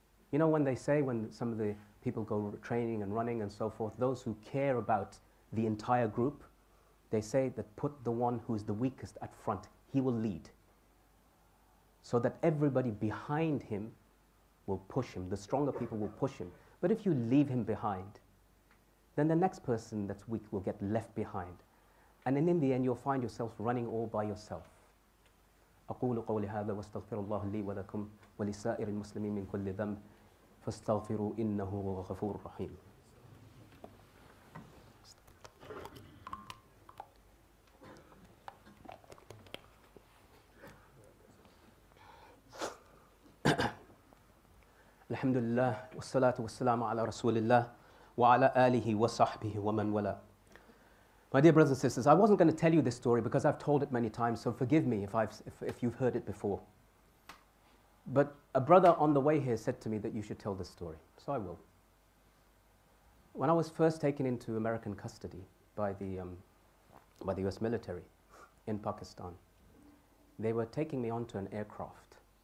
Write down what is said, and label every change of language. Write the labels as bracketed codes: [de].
[en] You know when they say, when some of the people go training and running and so forth, those who care about the entire group, they say that put the one who is the weakest at front, he will lead. So that everybody behind him will push him, the stronger people will push him. But if you leave him behind, then the next person that's weak will get left behind. And then in the end, you'll find yourself running all by yourself. [ar] أقول قولي هذا واستغفر الله لي ولكم ولسائر المسلمين من كل ذنب فاستغفروا إنه غفور رحيم. الحمد لله والصلاة والسلام على رسول الله وعلى آله وصحبه ومن ولا. [en] My dear brothers and sisters, I wasn't going to tell you this story because I've told it many times, so forgive me if you've heard it before. But a brother on the way here said to me that you should tell this story, so I will. When I was first taken into American custody by the US military in Pakistan, they were taking me onto an aircraft.